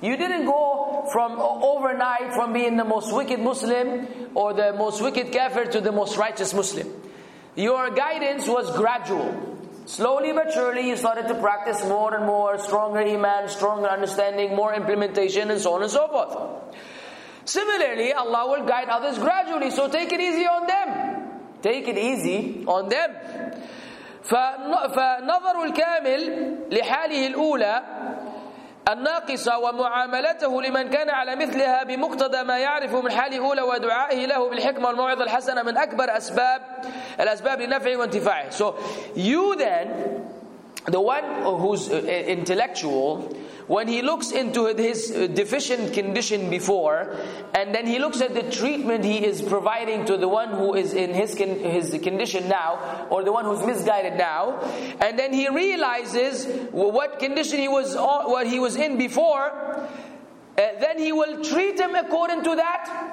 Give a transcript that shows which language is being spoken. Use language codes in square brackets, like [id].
[en] You didn't go from overnight from being the most wicked Muslim or the most wicked kafir to the most righteous Muslim. Your guidance was gradual. Slowly but surely you started to practice more and more, stronger iman, stronger understanding, more implementation, and so on and so forth. Similarly, Allah will guide others gradually. So take it easy on them. Take it easy on them. [ar] فنظر الكامل لحاله الأولى الناقصة ومعاملته لمن كان على مثلها بمقتضى ما يعرف من حاله الأولى ودعائه له بالحكمة والموعظة الحسنة من أكبر أسباب الأسباب لنفعه وانتفاعه. [en] So you then, the one who's intellectual, when he looks into his deficient condition before, and then he looks at the treatment he is providing to the one who is in his condition now, or the one who's misguided now, and then he realizes what condition he was on, what he was in before, then he will treat him according to that.